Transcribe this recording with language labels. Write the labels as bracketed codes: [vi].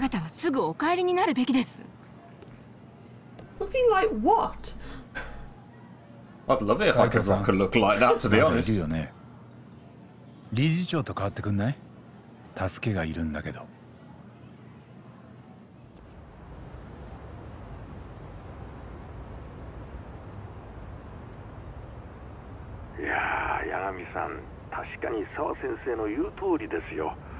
[ja] 方はすぐお帰りになるべきです。 [en] Looking like what? I'd love it if I could rock a look like that, to be honest. [ja] いいよね。理事長と変わってくんない？助けがいるんだけど。いやー、八神さん、確かに沢先生の言う通りですよ。